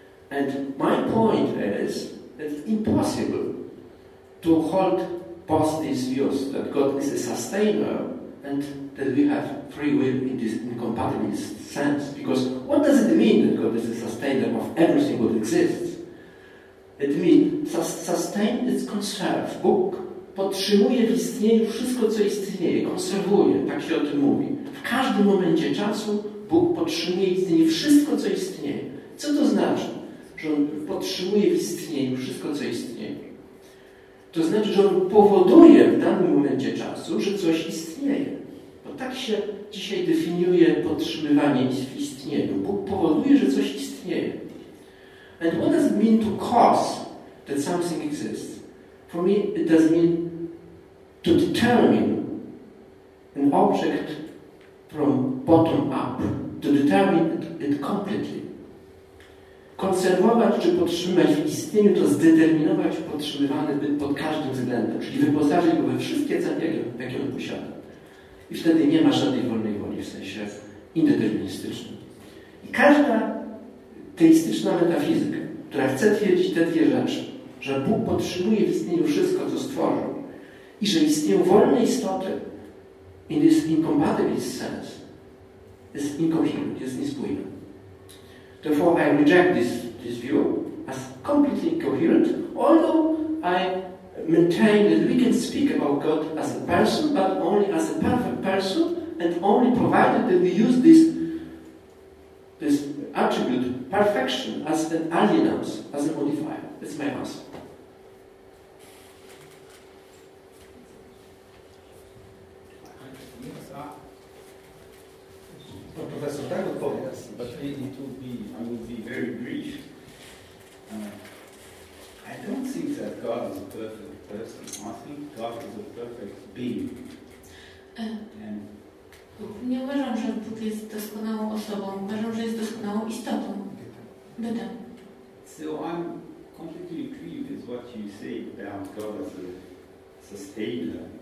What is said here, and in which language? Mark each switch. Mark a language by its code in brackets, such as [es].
[en] And my point is, it's impossible to hold both these views, that God is a sustainer and that we have free will in this incompatibilist sense. Because what does it mean that God is a sustainer of everything that exists? It means sustain is conserve. [pl] Bóg podtrzymuje w istnieniu wszystko, co istnieje. Konserwuje, tak się o tym mówi. W każdym momencie czasu Bóg podtrzymuje istnienie wszystko, co istnieje. Co to znaczy? Że on podtrzymuje w istnieniu wszystko, co istnieje. To znaczy, że on powoduje w danym momencie czasu, że coś istnieje. Bo tak się dzisiaj definiuje podtrzymywanie w istnieniu. Bóg powoduje, że coś istnieje. [en] And what does it mean to cause that something exists? For me, it does mean to determine an object from bottom up, to determine it completely. [pl] Konserwować czy podtrzymywać w istnieniu to zdeterminować podtrzymywany byt pod każdym względem, czyli wyposażyć go we wszystkie cechy, jakie on posiada. I wtedy nie ma żadnej wolnej woli w sensie indeterministycznym. I każda teistyczna metafizyka, która chce twierdzić te dwie rzeczy, że Bóg podtrzymuje w istnieniu wszystko, co stworzył i że istnieją wolne istoty, [en] in this incompatibilist sense, [pl] jest incoherent, jest niespójne. [en] Therefore, I reject this view as completely incoherent, although I maintain that we can speak about God as a person, but only as a perfect person, and only provided that we use this attribute, perfection, as an alienance, as a modifier. That's my answer. Professor, that would follow us, but I will be very brief. I don't think that God is a perfect person. I think God is a perfect being. [pl] Nie uważam, że Bóg jest doskonałą osobą. Uważam, że jest doskonałą istotą. Bytem. [en] So I'm completely agree with what you say about God as a sustainer.